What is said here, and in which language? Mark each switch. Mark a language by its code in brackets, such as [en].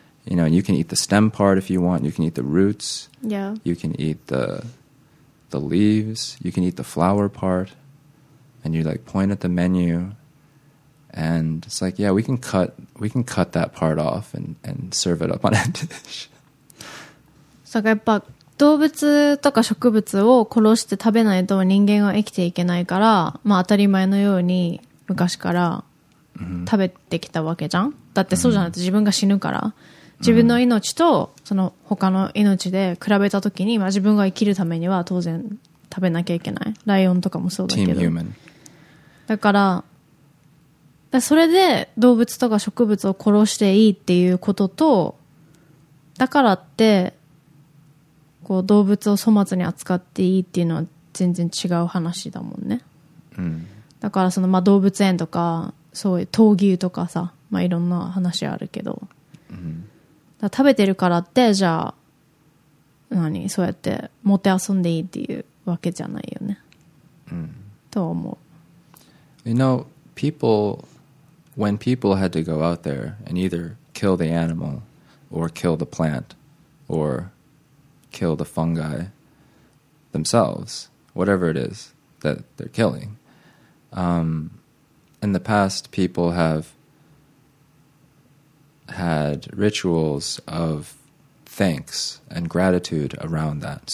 [en] You know, and you can eat the stem part if you want. You can eat the roots. Yeah. You can eat the leaves. You can eat the flower part. And you, like, point at the menu. And it's like, yeah, we can cut that part off and serve it up on a dish. [ja] そうかやっぱ動物とか植物を殺して食べないと人間は生きていけないから、まあ、当たり前のように昔から食べてきたわけじゃん、mm-hmm. だってそうじゃないと自分が死ぬから自分の命とその他の命で比べたときに、まあ、自分が生きるためには当然食べなきゃいけないライオンとかもそうだけど [en] Team human. [ja] だからそれで動物とか植物を殺していいっていうこととだからってこう動物を粗末に扱っていいっていうのは全然違う話だもんね、うん、だからその、まあ、動物園とかそういう闘牛とかさ、まあ、いろんな話あるけど、うん、だ食べてるからってじゃあ何そうやってもてあそんでいいっていうわけじゃないよね、うん、と思う [en] You know peopleWhen people had to go out there and either kill the animal or kill the plant or kill the fungi themselves, whatever it is that they're killing, in the past people have had rituals of thanks and gratitude around that.